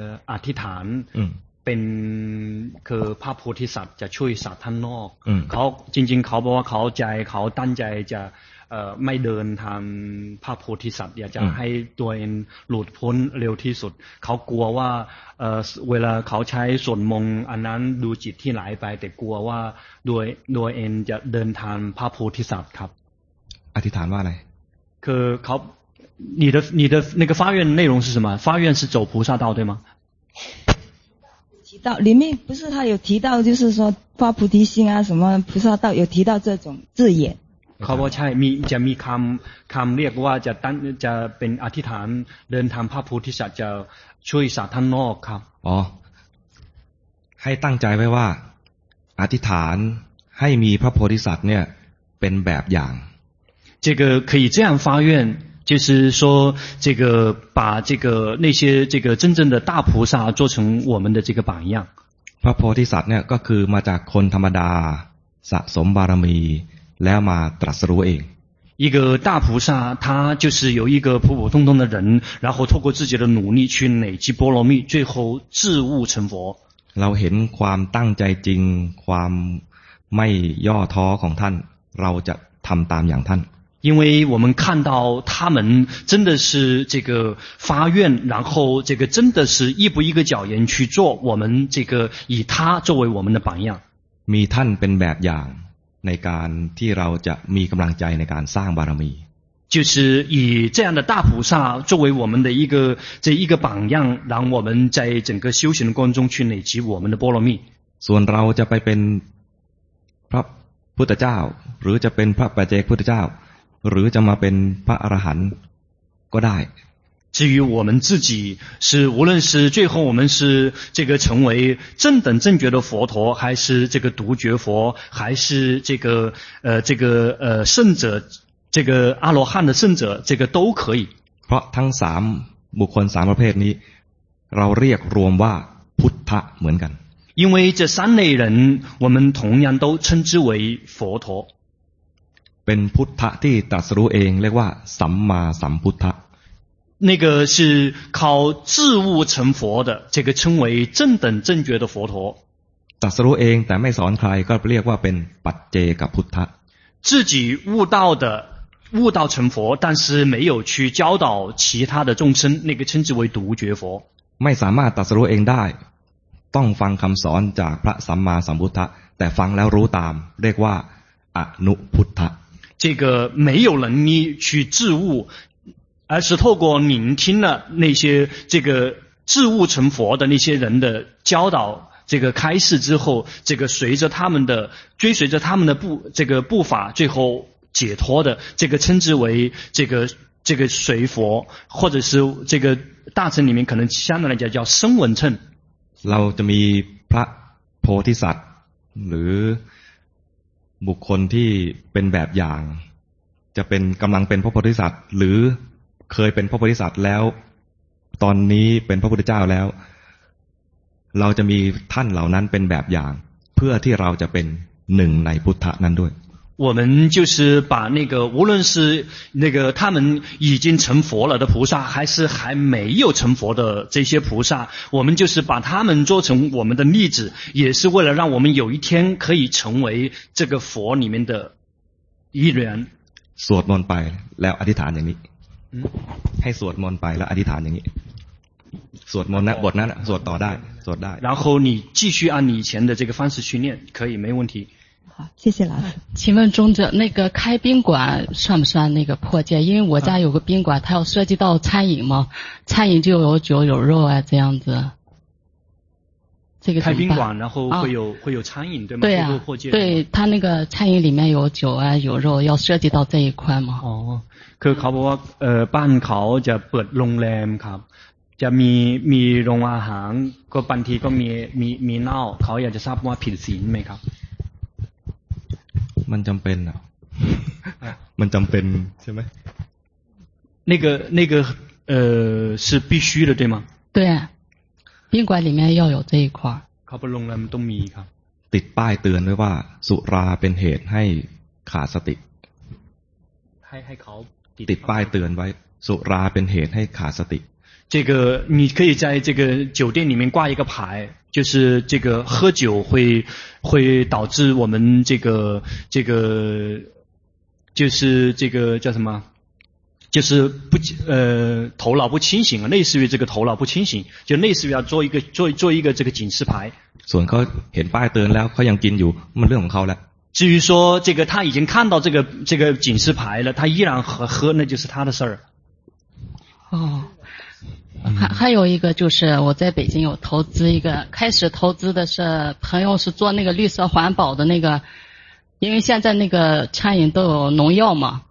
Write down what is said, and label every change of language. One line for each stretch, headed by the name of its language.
Thai: อธิษฐานเป็นคือพระโพธิสัตว์จะช่วยสัตว์ท่านนอกเขาจริงๆเขาบอกว่าเขาใจเขาตั้งใจจะไม่เดินทางพระโพธิสัตว์อยากจะให้ตัวเองหลุดพ้นเร็วที่สุดเขากลัวว่าเวลาเขาใช้สวดมนต์อันนั้นดูจิตที่หลายไปแต่กลัวว่าโดยเองจะเดินทางพระโพธิสัตว์ครับ อธิษฐานว่าอะไร คือเขา
Chinese: 你的那个发愿内容是什么发愿是走菩萨道对吗提到里面不是他有提到就是说发菩提心啊什么菩萨道有提到这种字眼
Thai: เขาบอกใช่มีจะมีคำเรียกว่าจะตั้งจะเป็นอธิษฐานเดินทางพระโพธิสัตว์จะช่วยสัตว์ท่านนอกครับ อ๋อ ให้ตั้งใจไว้ว่าอธิษฐานให้มีพระโพธิสัตว์เนี่ยเป็นแบบอย่าง
Chinese: 这个可以这样发愿就是说这个把这个那些这个真正的大菩萨做成我们的这个榜样
Thai: พระโพธิสัตว์เนี่ยก็คือมาจากคนธรรมดาสะสมบารมีแล้วมาตรัสรู้เอง
Chinese: 一个大菩萨他就是有一个普普通通的人然后透过自己的努力去累积波罗蜜最后自悟成佛
Thai: เราเห็นความตั้งใจจริงความไม่ย่อท้อของท่านเราจะทำตามอย่างท่าน
Chinese: 因为我们看到他们真的是这个发愿然后这个真的是一步一个脚印去做我们这个以他作为我们的榜样
Thai: มีท่านเป็นแบบอย่างในการที่เราจะมีกำลังใจในการสร้างบารมี
Chinese: 就是以这样的大菩萨作为我们的一个这一个榜样让我们在整个修行的过程中去累积我们的波罗蜜
Thai: ส่วนเราจะไปเป็นพระพุทธเจ้าหรือจะเป็นพระปัจเจกพุทธเจ้าหรือจะมาเป็นพระอรหันต์ก็ได้
Chinese: 至于我们自己是无论是最后我们是这个成为正等正觉的佛陀还是这个独觉佛还是这个这个圣者这个阿罗汉的圣者这个都可以
Thai: เพราะทั้งสามบุคคลสามประเภทนี้เราเรียกรวมว่าพุทธะเหมือนกัน
Chinese: 因为这三类人我们同样都称之为佛陀
Thai: เป็นพุทธะที่ตรัสรู้เองเรียกว่าสัมมาสัมพุทธะ
Chinese: 那个是靠自悟成佛的这个称为正等正觉的佛陀
Thai: ตรัสรู้เองแต่ไม่สอนใครก็เรียกว่าเป็นปัจเจกพุทธะ
Chinese: 自己悟道的悟道成佛但是没有去教导其他的众生那个称之为独觉佛
Thai: ไม่สามารถตรัสรู้เองได้ต้องฟังคำสอนจากพระสัมมาสัมพุทธะแต่ฟังแล้วรู้ตามเรียกว่าอนุพุทธะ
Chinese: 这个没有能力去自悟而是透过聆听了那些这个自悟成佛的那些人的教导这个开示之后这个随着他们的追随着他们的步这个步伐最后解脱的这个称之为这个随佛或者是这个大乘里面可能相当来讲叫声闻乘
Thai: เราจะมีพระโพธิสัตว์หรือบุคคลที่เป็นแบบอย่างจะเป็นกำลังเป็นพระโพธิสัตว์หรือเคยเป็นพระโพธิสัตว์แล้วตอนนี้เป็นพระพุทธเจ้าแล้วเราจะมีท่านเหล่านั้นเป็นแบบอย่างเพื่อที่เราจะเป็นหนึ่งในพุทธะนั้นด้วย
Chinese: 我们就是把那个无论是那个他们已经成佛了的菩萨还是还没有成佛的这些菩萨我们就是把他们做成我们的例子也是为了让我们有一天可以成为这个佛里面的一员
Thai: สวดมนต์ไปแล้วอธิษฐานอย่างนี้ให้สวดมนต์ไปแล้วอธิษฐานอย่างนี้สวดมนต์นะบทนั้นสวดต่อได้สวดได้
Chinese: 然后你继续按你以前的这个方式去念可以没问题好谢谢老师请问中者那个开宾馆算不算那个破戒因为我家有个宾馆它要涉及到餐饮嘛餐饮就有酒有肉啊这样子这个开宾馆然后会有餐饮对吗对啊会破戒对它那个餐饮里面有酒啊有肉要涉及到这一块吗
Thai: 哦คือเขาบอกว่าบ้านเขาจะเปิดโรงแรมครับจะมีโรงอาหารก็บางทีก็มีเน่าเขาอยากจะทราบว่าผิดศีลไหมครับ มันจำเป็นอ่ะ มันจำเป็นใช่ไหม
Chinese: 那个是必须的对吗对啊宾馆里面要有这一块
Thai: เขาบอกโรงแรมต้องมีครับ ติดป้ายเตือนไว้ว่าสุราเป็นเหตุให้ขาดสติ ให้เขา ติดป้ายเตือนไว้สุราเป็นเหตุให้ขาดสติ
Chinese: 这个你可以在这个酒店里面挂一个牌就是这个喝酒会导致我们这个就是这个叫什么就是不头脑不清醒类似于这个头脑不清醒就类似于要做一个这个警示牌
Thai: ส่วนเขาเห็นป้ายเตือนแล้วเขายังกินอยู่มันเรื่องของเขาแล้ว
Chinese: 至于说这个他已经看到这个警示牌了他依然喝那就是他的事儿。哦。还有一个就是我在北京有投资一个开始投资的是朋友是做那个绿色环保的那个因为现在那个餐饮都有农药嘛